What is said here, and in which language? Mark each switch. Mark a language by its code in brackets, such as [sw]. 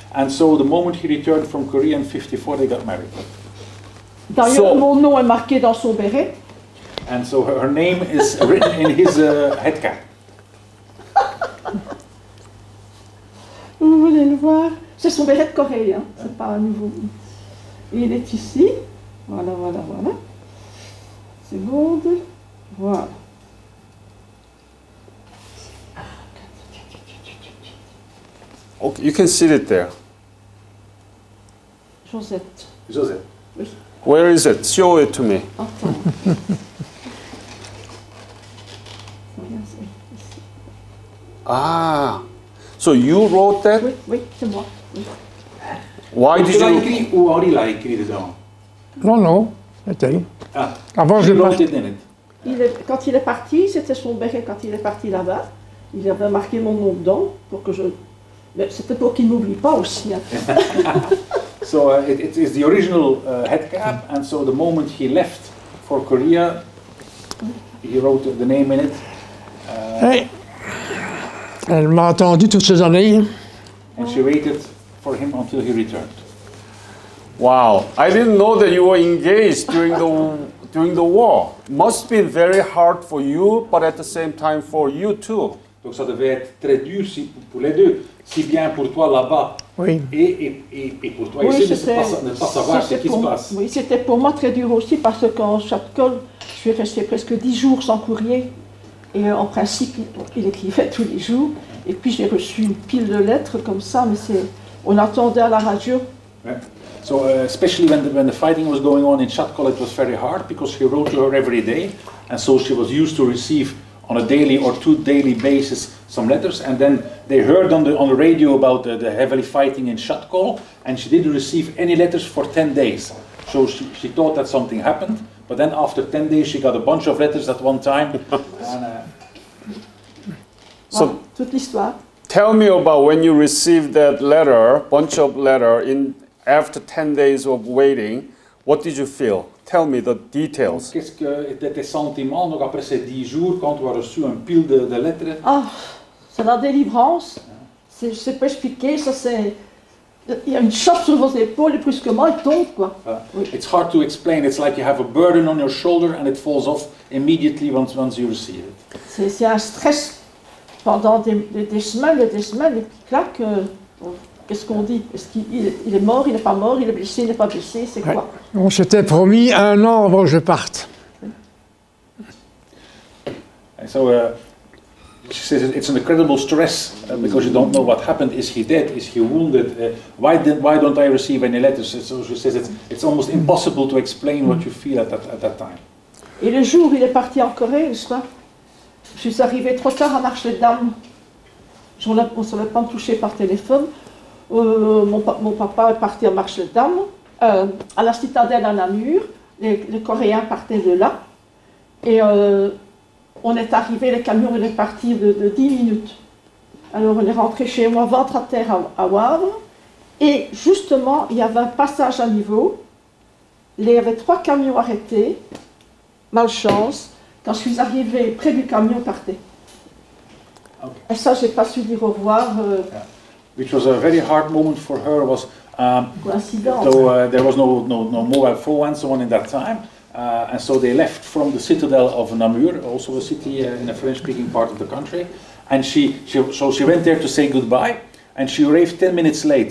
[en] And so the moment he returned from Korea in 54, they got married. [fr] D'ailleurs, mon nom est marqué dans son béret. [en] And so her name is written in his headcap. [fr] Vous voulez le voir? C'est son béret de Corée, hein? C'est pas un nouveau. Il est ici. Voilà, voilà, voilà. C'est bon. Voilà. [en] Okay, you can sit it there. Josette. Where is it? Show it to me. Ah. So you wrote that? [fr] Oui, c'est moi. [en] Why did you... [fr] Écrit, ou Henri l'a écrit dedans? Non, non. C'était... Ah. Avant, je l'ai écrit dedans. Quand il est parti, c'était son béret quand il est parti là-bas. Il avait marqué mon nom dedans pour que je... Mais c'était pour qu'il ne m'oublie pas aussi. Hein. [en] So it is the original headcap, and so the moment he left for Korea, he wrote the name in it. [fr] Hey. Elle m'a attendu toutes ces années. [en] And she waited for him until he returned. Wow, I didn't know that you were engaged during the war. Must be very hard for you, but at the same time for you too. [fr] Donc ça devait être très dur si, pour les deux, si bien pour toi là-bas. Oui. Et pour toi, oui, ici, ne pas savoir ce qui se passe. Oui, c'était pour moi très dur aussi parce qu'en Chapcol, je suis resté presque 10 jours sans courrier. Et en principe, il écrivait tous les jours. Et puis j'ai reçu une pile de lettres comme ça, mais on attendait à la radio. [en] Right. So especially when the fighting was going on in Chatkol, it was very hard because he wrote to her every day, and so she was used to receive on a daily or two daily basis some letters. And then they heard on the radio about the heavily fighting in Chatkol, and she didn't receive any letters for 10 days. So she thought that something happened. But then after 10 days, she got a bunch of letters at one time. [fr] So, toute l'histoire. [en] Tell me about when you received that letter, bunch of letters, after 10 days of waiting. What did you feel? Tell me the details. [fr] Qu'est-ce que étaient tes sentiments donc après ces 10 jours quand tu as reçu un pile de lettres? Ah, oh, c'est la délivrance. Je ne sais pas expliquer, ça c'est... Il y a une chape sur vos épaules et brusquement elle tombe quoi. [en] It's hard to explain. It's like you have a burden on your shoulder and it falls off immediately once you receive it. [fr] C'est un stress pendant des semaines et puis claque. Qu'est-ce qu'on dit? Est-ce qu'il est mort? Il n'est pas mort? Il est blessé? Il n'est pas blessé? C'est quoi? On s'était promis un an avant que je parte. [en] She says it's an incredible stress because you don't know what happened. Is he dead? Is he wounded? Why don't I receive any letters? So she says it's almost impossible to explain what you feel at that time. [fr] Et le jour où il est parti en Corée, je crois, je suis arrivée trop tard à Marche des Dames. On ne savait pas me toucher par téléphone. Mon papa est parti à Marche des Dames, à la citadelle à Namur. Les Coréens partaient de là. Et... on est arrivé, le camion est parti de 10 minutes. Alors on est rentré chez moi, ventre à terre à Wavre. Et justement, il y avait un passage à niveau. Il y avait 3 camions arrêtés. Malchance. Quand je suis arrivé près du camion, partait. Okay. Et ça, je n'ai pas su dire au revoir. [en] which was a very hard moment for her, was coincidence. So there was no mobile phone and so on in that time. And so they left from the citadel of Namur, also a city in a French-speaking part of the country. And she went there to say goodbye, and she arrived 10 minutes late.